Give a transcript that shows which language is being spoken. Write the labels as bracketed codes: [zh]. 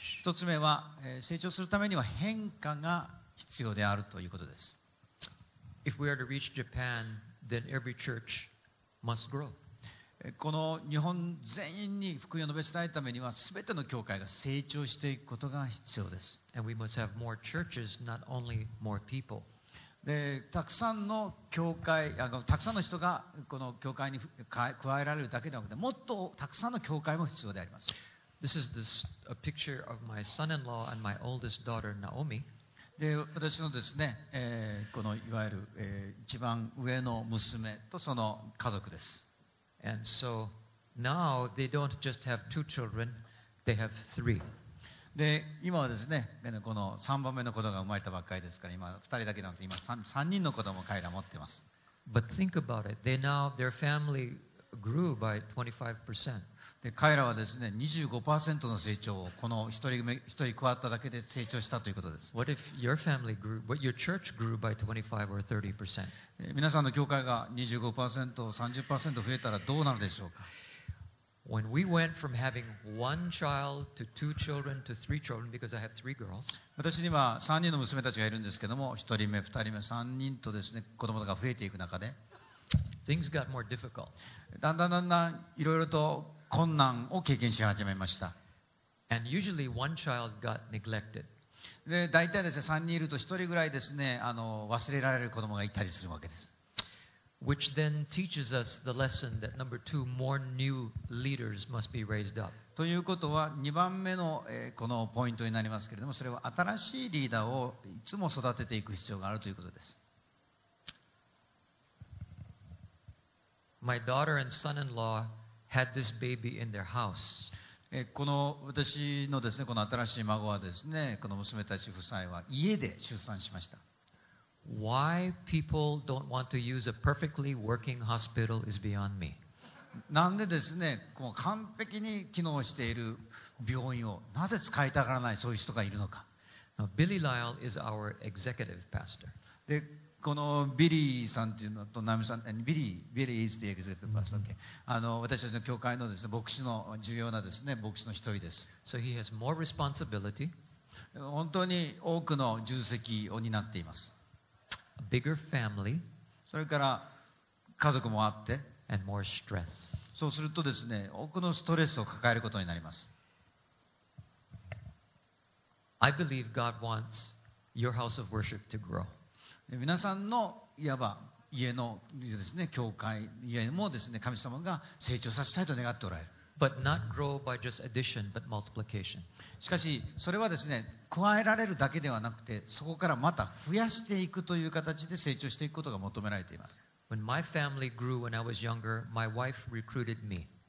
[ja] 1つ目は、成長するためには変化が必要であるということです。 [en] If we are to reach Japan, then every church must grow. [ja] この日本全員に福音を述べ伝えるためには、全ての教会が成長していくことが必要です。 [en] And we must have more churches, not only more people. [ja] で、たくさんの教会、たくさんの人がこの教会に加えられるだけではなくて、もっとたくさんの教会も必要であります。 [en] This is a picture of my son-in-law and my oldest daughter, Naomi. [ja] で、私のですね、このいわゆる、一番上の娘とその家族です。 [en] And so now they don't just have two children, they have three. [ja] で、今はですね、この3番目の子供が生まれたばっかりですから、今2人だけなので、今 3人の子供を彼ら持っています。 [en] But think about it. They now, their family grew by 25%. [ja] で、彼らはですね、25% の成長をこの1人加わっただけで成長したということです。 [en] What if your family grew, what your church grew by 25 or 30%? [ja] 皆さんの教会が 25%、30% 増えたらどうなるでしょうか。 [en] When we went from having one child to two children to three children, because I have three girls, [ja] 私には3人の娘たちがいるんですけども、1人目、2人目、3人とですね、子供が増えていく中で、 [en] things got more difficult. [ja] だんだんだんだんいろいろと困難を経験し始めました。 [en] And usually one child got neglected. [ja] で、大体ですね、3人いると1人ぐらいですね、忘れられる子供がいたりするわけです。 [en] Which then teaches us the lesson that number two, more new leaders must be raised up. [ja] ということは2番目のこのポイントになりますけれども、それは新しいリーダーをいつも育てていく必要があるということです。 [en] My daughter and son-in-law had this baby in their house. [ja] この私のですね、この新しい孫はですね、この娘たち夫妻は家で出産しました。 [en] Why people don't want to use a perfectly working hospital is beyond me. [ja] なんでですね、この完璧に機能している病院をなぜ使いたがらないそういう人がいるのか。 [en] Now, Billy Lyle is our executive pastor. [ja] で、このビリーさんというのとナミさん、ビリー [en] is the executive pastor.、Okay. [ja] 私たちの教会のですね、牧師の重要なですね、牧師の一人です。 [en] So he has more responsibility. [ja] 本当に多くの重責を担っています。 [en] A bigger family, [ja] それから家族もあって [en] and more stress. [ja] そうするとですね、多くのストレスを抱えることになります。 [en] I believe God wants your house of worship to grow. [ja] 皆さんのいわば家のですね、教会家もですね、神様が成長させたいと願っておられる。 [en] But not grow by just addition, but multiplication. [ja] しかしそれはですね、加えられるだけではなくて、そこからまた増やしていくという形で成長していくことが求められています。 [en] When my family grew when I was younger, my wife recruited me.